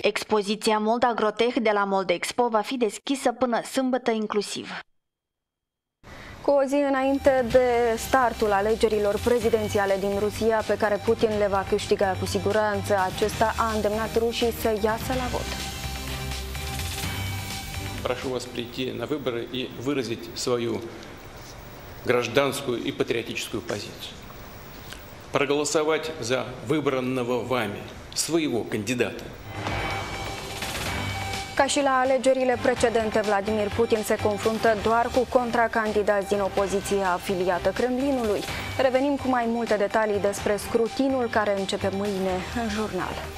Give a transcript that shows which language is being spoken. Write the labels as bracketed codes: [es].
[ro] Expoziția Moldagrotech de la Moldexpo va fi deschisă până sâmbătă inclusiv. Cu o zi înainte de startul alegerilor prezidențiale din Rusia, pe care Putin le va câștiga cu siguranță, acesta a îndemnat rușii să iasă la vot. [ru] Прошу вас прийти на выборы и выразить свою гражданскую и патриотическую позицию. Проголосовать за выбранного вами своего кандидата. [ro] Ca și la alegerile precedente, Vladimir Putin se confruntă doar cu contracandidați din opoziția afiliată Kremlinului. Revenim cu mai multe detalii despre scrutinul care începe mâine în jurnal.